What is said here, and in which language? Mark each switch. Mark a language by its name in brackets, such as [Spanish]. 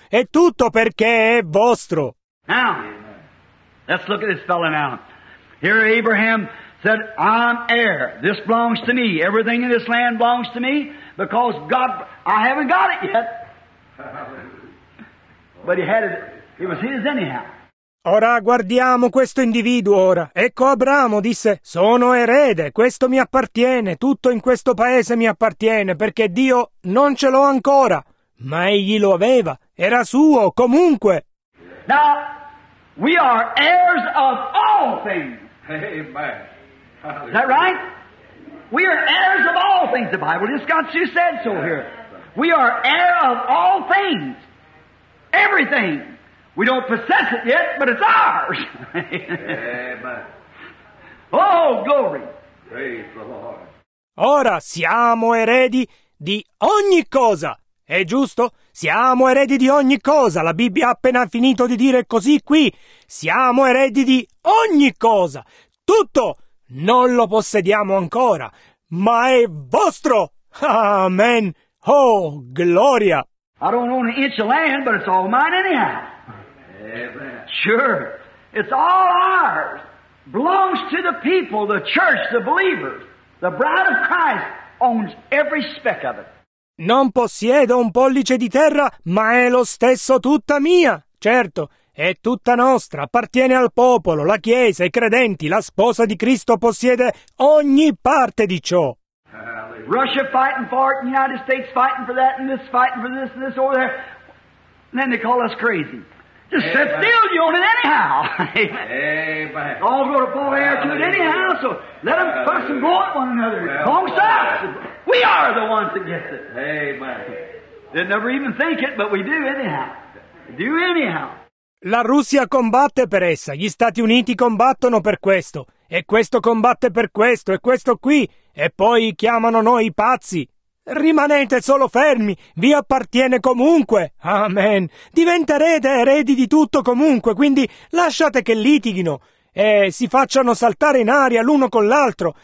[Italian] È tutto perché è vostro. [English] Now, let's look at this fellow now. Here Abraham said, I'm heir. This belongs to me. Everything in this land belongs to me because God, I haven't got it yet. But he had it. It was his anyhow. [Italian] Ora guardiamo questo individuo ora. Ecco Abramo disse: sono erede, questo mi appartiene, tutto in questo paese mi appartiene, perché Dio non ce l'ho ancora. Ma egli lo aveva, era suo comunque. [English] Now we are heirs of all things. Amen. Is that right? We are heirs of all things, the Bible just got you said so here. We are heir of all things. Everything. We don't possess it yet, but it's ours. Amen. Oh, glory. Praise the Lord. [Italian] Ora siamo eredi di ogni cosa. È giusto? Siamo eredi di ogni cosa. La Bibbia ha appena finito di dire così qui. Siamo eredi di ogni cosa. Tutto non lo possediamo ancora, ma è vostro. Amen. Oh, gloria. [English] I don't own an inch of land, but it's all mine anyhow. Amen. Sure. It's all ours. Belongs to the people, the church, the believers. The bride of Christ owns every speck of it. [Italian] Non possiedo un pollice di terra, ma è lo stesso tutta mia. Certo, è tutta nostra, appartiene al popolo, la chiesa, i credenti, la sposa di Cristo possiede ogni parte di ciò. [English] Russia fighting for it, the United States fighting for that, and this fighting for this, and this over there. And then they call us crazy. Just sit still, you own it anyhow. Amen. All go to fall heir to it anyhow, so let them fuss and blow at one another. Amongst us. We are the ones that get it. Amen. They never even think it, but we do anyhow. We do anyhow. [Italian] La Russia combatte per essa, gli Stati Uniti combattono per questo, e questo combatte per questo, e questo qui, e poi chiamano noi pazzi. Rimanete solo fermi, vi appartiene comunque. Amen. Diventerete eredi di tutto comunque, quindi lasciate che litighino e si facciano saltare in aria l'uno con l'altro.